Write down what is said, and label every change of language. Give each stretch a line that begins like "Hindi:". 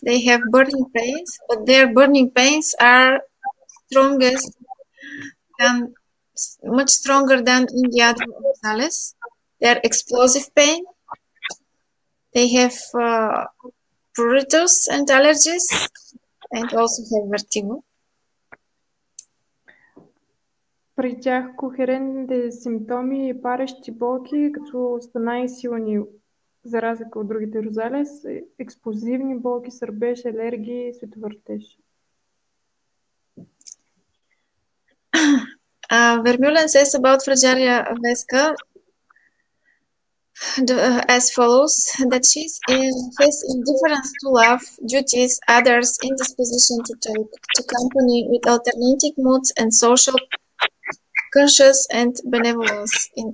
English: They have burning pains, but their burning pains are strongest than, much stronger than in the other Rosales. They are explosive pain. They have pruritus and allergies, and also have vertigo.
Bulgarian: При тях кохерентните симптоми и парещи болки, като са най-силни за разлика от другите Розалес, експлозивни болки, сърбеж, алергии, световъртеж.
English: Vermeulen says about Fragaria Vesca as follows, that she has indifference to love, duties, others, indisposition to talk, to company with alternating moods and social conscious and benevolence.